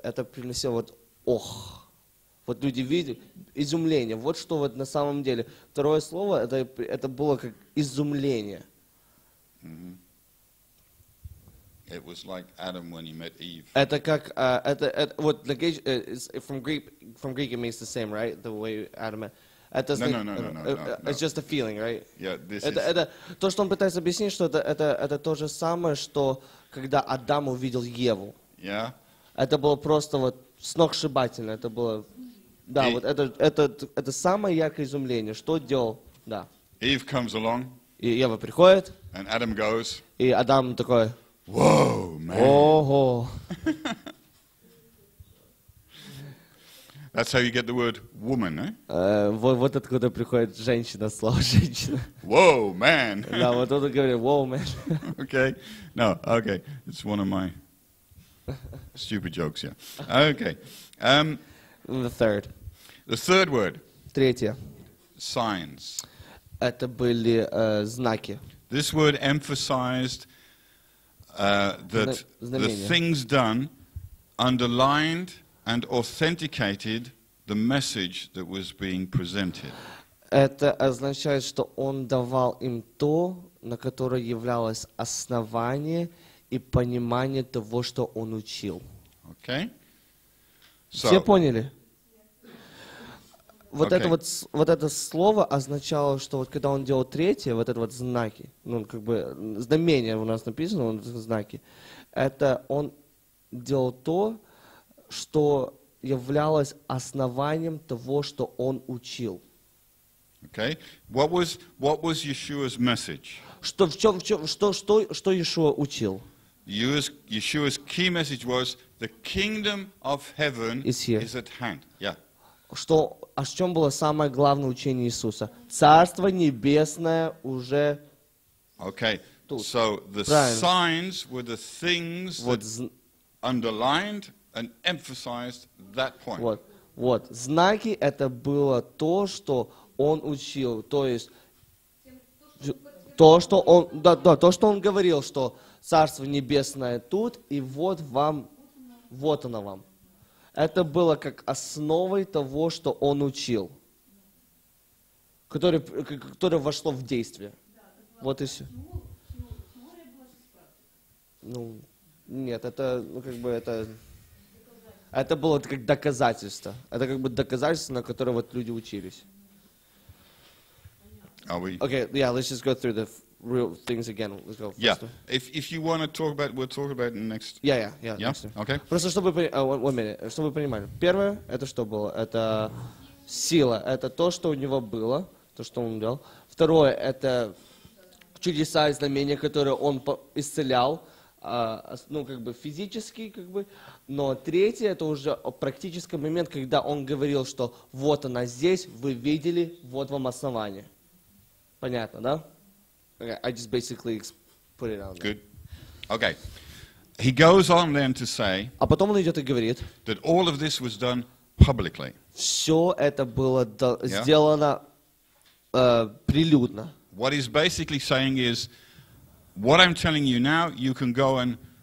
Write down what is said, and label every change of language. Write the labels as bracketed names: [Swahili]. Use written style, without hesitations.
[Russian] Это приносило вот ох. Вот люди видели изумление. Вот что вот на самом деле. Второе слово это было как изумление. Mm-hmm. [English] It was like Adam when he met Eve. [Russian] Это как вот [English] like from Greek it means the same, right? The way Adam met. No. It's just a feeling, right? Yeah, [Russian] это то, что он пытается объяснить, что это то же самое, что когда Адам увидел Еву. [English] Yeah. [Russian] Это было просто вот сногсшибательно, это было это самое яркое изумление, что делал, да. [English] Eve comes along. [Russian] И Ева приходит. [English] And Adam goes. [Russian] И Адам такой: [English] Whoa, man. Oh-ho. That's how you get the word woman, eh? [Russian] Вот откуда приходит женщина, слово женщина. [English] Whoa, man. [Russian] Да, вот он говорит, [English] whoa, man. Okay. No, okay. It's one of my stupid jokes, yeah. Okay. The third word. [Russian] Третье. [English] Signs. [Russian] Это были знаки. [English] This word emphasized that the things done underlined and authenticated the message that was being presented. [Russian] Это означает, что он давал им то, на которое являлось основание и понимание того, что он учил. [English] Okay. [Russian] So, все поняли? Это слово означало, что вот когда он делал третье, вот это вот знаки, ну как бы знамение у нас написано, он знаки, это он делал то, что являлось основанием того, что он учил. [English] Okay. What was Yeshua's message? [Russian] Что Иешуа учил? [English] Yeshua's key message was the kingdom of heaven is at hand. Yeah. [Russian] Что, а в чем было самое главное учение Иисуса? Царство небесное уже [English] okay. [Russian] тут. [English] So the [Russian] правильно. [English] Signs were the things that underlined and emphasized that point. [Russian] Вот. Знаки это было то, что он учил. То есть то, что он говорил, что Царство небесное тут, и вот вам, вот оно вам. Это было как основой того, что он учил, которое вошло в действие. Да, вот и все. Ну, нет, это ну, как бы это... Это было как доказательство. Это как бы доказательство, на которое вот люди учились. [English] Are we... Okay, yeah, let's just go through the real things again. Let's go. Yeah. If you want to talk about, we'll talk about it next. Yeah. Okay. [Russian] Просто чтобы чтобы вы понимали. Первое это что было? Это сила. Это то, что у него было, то, что он делал. Второе это чудеса и знамения, которые он исцелял, ну, как бы физический, как бы, но третий это уже практический момент, когда он говорил, что вот она здесь, вы видели, вот вам основание. Понятно, да? [English] Okay, I just basically put it out there. Good. Okay. He goes on then to say, [Russian] а потом он идет и говорит, [English] that all of this was done publicly. [Russian] Все это было сделано прилюдно. [English] What he's basically saying is, what I'm telling you now, you can go and